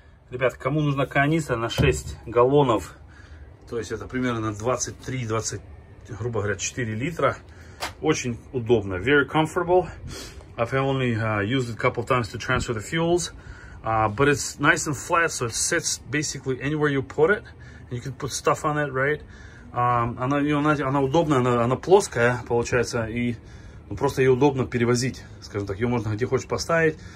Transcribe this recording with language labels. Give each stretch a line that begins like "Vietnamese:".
Russian: Ребят, кому нужна канистра на 6 галлонов, то есть это примерно на 23-20, грубо говоря, 4 литра, очень удобно.
English: Very comfortable. I've only used it a couple of times to transfer the fuels. But it's nice and flat, so it sits basically anywhere you put it. And you can put stuff on it, right?
Russian: Она удобная, она плоская, получается, и... Ну, просто ее удобно перевозить, скажем так, ее можно где хочешь поставить.